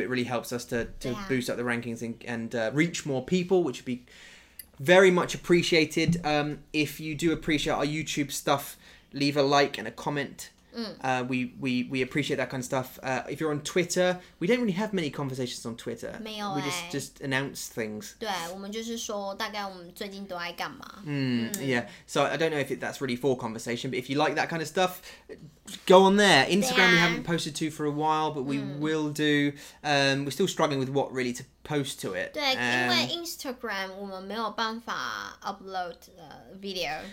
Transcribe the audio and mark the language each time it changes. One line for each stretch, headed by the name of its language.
English: It really helps us to boost up the rankings and reach more people, which would be very much appreciated. If you do appreciate our YouTube stuff, leave a like and a comment. We appreciate that kind of stuff. If you're on Twitter, we don't really have many conversations on Twitter.
Chinese: 没有欸.
English: We just announce things.
Chinese: 对，我们就是说大概我们最近都在干嘛。
English: Yeah. So I don't know if that's really for conversation, but if you like that kind of stuff, go on there. Instagram we haven't posted to for a while, but we will do. We're still struggling with what really to post to it.
Chinese: 对，因为 Instagram 我们没有办法
English: upload video.